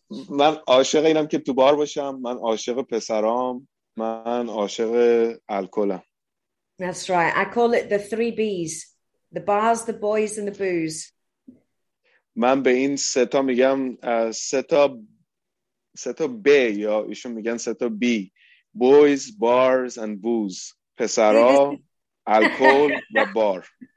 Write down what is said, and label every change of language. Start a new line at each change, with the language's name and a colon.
Persian: من عاشق اینم که تو بار باشم، من عاشق پسرام، من عاشق الکلم.
English: That's right. I call it the three B's: the bars, the boys, and the booze.
Persian: من به این سه تا میگم سه تا سه تا بی، یا ایشون میگن سه تا بی:
English: boys, bars and booze,
Persian: پسرا، الکل و بار.